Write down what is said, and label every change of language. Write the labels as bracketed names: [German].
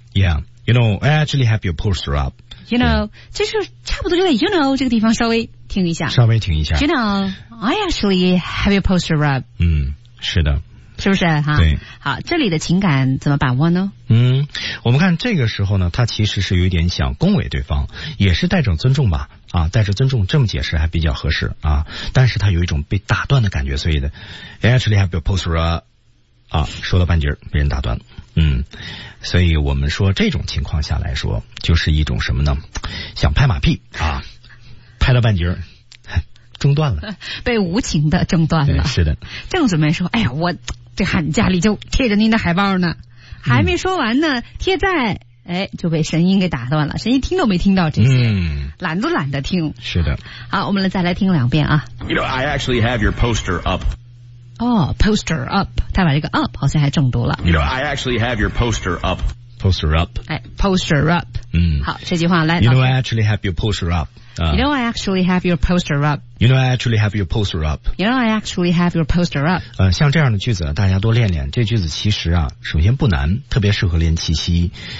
[English] Yeah, you know, I actually have your poster up. You know, [Chinese] 这是差不多就在 [English] you know [Chinese] 这个地方稍微停一下，稍微停一下。 [English] You know, I actually have your poster up. [Chinese] 是的，是不是哈？对。好，这里的情感怎么把握呢？我们看这个时候呢，他其实是有点想恭维对方，也是带着尊重吧。啊，带着尊重这么解释还比较合适啊，但是他有一种被打断的感觉，所以的 [English] actually have your poster [Chinese] 啊，说到半截被人打断，所以我们说这种情况下来说，就是一种什么呢？想拍马屁啊，拍了半截中断了，被无情的中断了，是的，正准备说，哎呀，我这喊家里就贴着您的海报呢，还没说完呢，贴在。就被神音给打断了，神音听都没听到这些，懒都懒得听。是的。好，我们再来听两遍啊。 [English] You know, I actually have your poster up. Oh, poster up. [Chinese] 他把这个 up 好像还正读了。 [English] You know, I actually have your poster up. Poster up. poster up. [Chinese] 好，这句话来。 [English] You know, I actually have your poster up. You know, I actually have your poster up. You know, I actually have your poster up. You know, I actually have your poster up. [Chinese] 像这样的句子，大家多练练。这句子其实啊，首先不难，特别适合练气息。